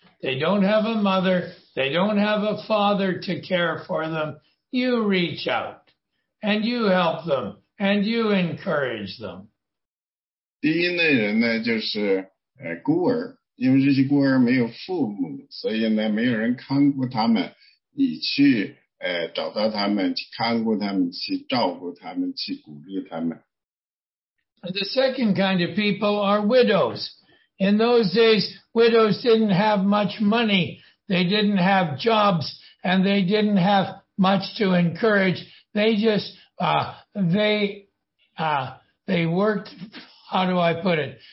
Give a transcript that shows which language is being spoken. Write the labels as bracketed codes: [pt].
[en] They don't have a mother, they don't have a father to care for them. You reach out and you help them and you encourage them. [zh] 第一类人呢，就是孤儿，因为这些孤儿没有父母，所以呢，没有人看顾他们。你去找到他们，去看顾他们，去照顾他们，去鼓励他们。And [en] the second kind of people are widows. In those days, widows didn't have much money. They didn't have jobs, and they didn't have much to encourage. They worked. How do I put it?